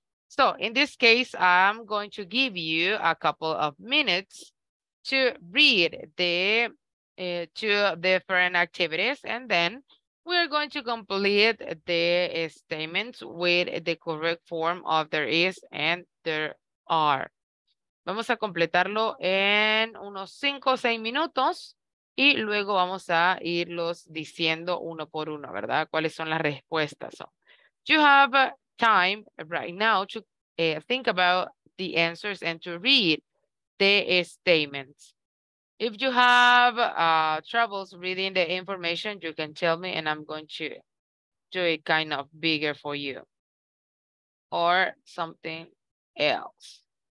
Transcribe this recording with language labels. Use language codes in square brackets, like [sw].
[en] So, in this case, I'm going to give you a couple of minutes to read the two different activities, and then we are going to complete the statements with the correct form of there is and there are. [es] Vamos a completarlo en unos 5 o 6 minutos y luego vamos a irlos diciendo uno por uno, ¿verdad? ¿Cuáles son las respuestas? [en] So, you have time right now to think about the answers and to read the statements. If you have troubles reading the information, you can tell me and I'm going to do it kind of bigger for you or something else.